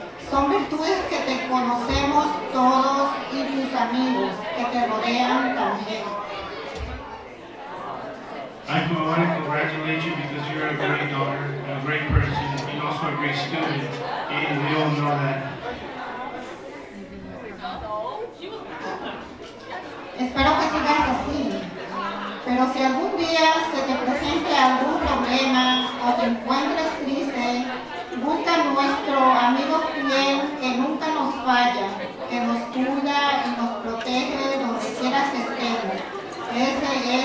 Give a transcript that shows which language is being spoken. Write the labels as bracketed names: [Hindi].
[Spanish] Son virtudes que te conocemos todos y tus amigos que te rodean también. [English] I want to congratulate you because you're a great daughter and a great person and also a great student, and we all know that. [Spanish] Espero que sigas así, pero si algún día se te presente algún problema o te encuentres triste, busca nuestro amigo fiel que nunca nos falla, que nos cuida y nos protege donde quieras que estemos.